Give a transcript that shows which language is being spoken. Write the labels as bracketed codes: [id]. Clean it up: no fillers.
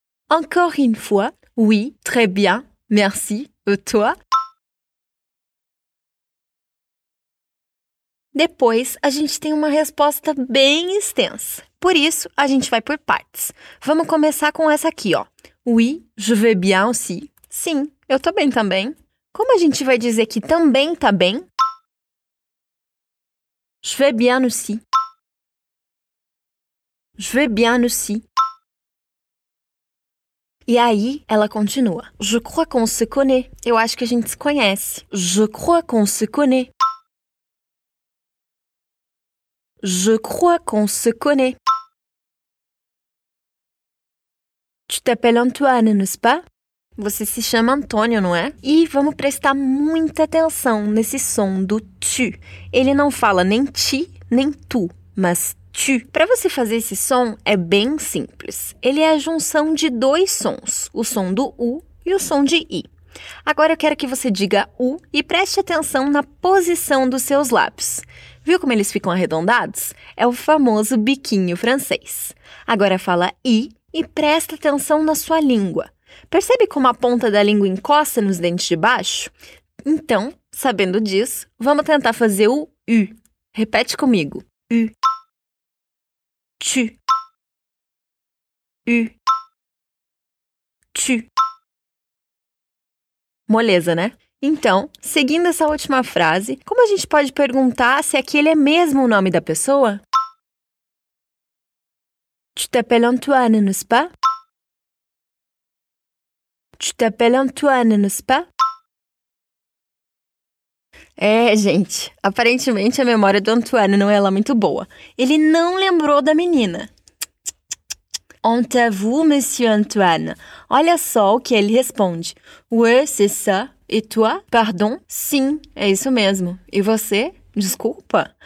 [fr] Encore une fois, oui, très bien, merci, et toi? [pt] Depois, a gente tem uma resposta bem extensa. Por isso, a gente vai por partes. Vamos começar com essa aqui, ó. [fr] Oui, je vais bien aussi. [pt] Sim, eu tô bem também. Como a gente vai dizer que também tá bem? [fr] Je vais bien aussi. Je vais bien aussi. [pt] E aí, ela continua. [fr] Je crois qu'on se connaît. [pt] Eu acho que a gente se conhece. [fr] Je crois qu'on se connaît. Je crois qu'on se connaît. Tu t'appelles Antoine, n'est-ce pas? [pt] Você se chama Antônio, não é? E vamos prestar muita atenção nesse som do tu. Ele não fala nem ti, nem tu, mas tu. Para você fazer esse som, é bem simples. Ele é a junção de dois sons, o som do U e o som de I. Agora eu quero que você diga U e preste atenção na posição dos seus lábios. Viu como eles ficam arredondados? É o famoso biquinho francês. Agora fala I e presta atenção na sua língua. Percebe como a ponta da língua encosta nos dentes de baixo? Então, sabendo disso, vamos tentar fazer o U. Repete comigo. U. Tu. U. Tu. Moleza, né? Então, seguindo essa última frase, como a gente pode perguntar se aquele é mesmo o nome da pessoa? [fr] Tu t'appelles Antoine, n'est-ce pas? Tu t'appelles Antoine, n'est-ce pas? [pt] É, gente, aparentemente a memória do Antoine não é lá muito boa. Ele não lembrou da menina. [fr] Entends-vous, monsieur Antoine? [pt] Olha só o que ele responde. [fr] Oui, c'est ça. Et toi? Pardon? [pt] Sim, é isso mesmo. E você? Desculpa.